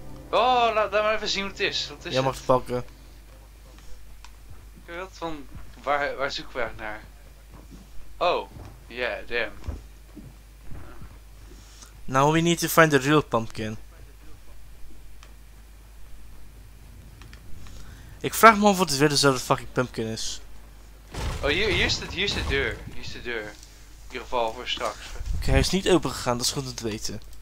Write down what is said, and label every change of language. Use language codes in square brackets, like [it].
[nl] Oh, laat maar even zien hoe het is. Wat is jij mag het pakken. Ik weet het van... Waar zoeken we eigenlijk naar? [en] Oh. Yeah, damn. Now we need to find the real pumpkin. [nl] Ik vraag me af of het weer dezelfde fucking pumpkin is. Oh, hier is de deur. Hier is de deur. In ieder geval voor straks. Oké, hij is niet open gegaan, dat is goed om te weten.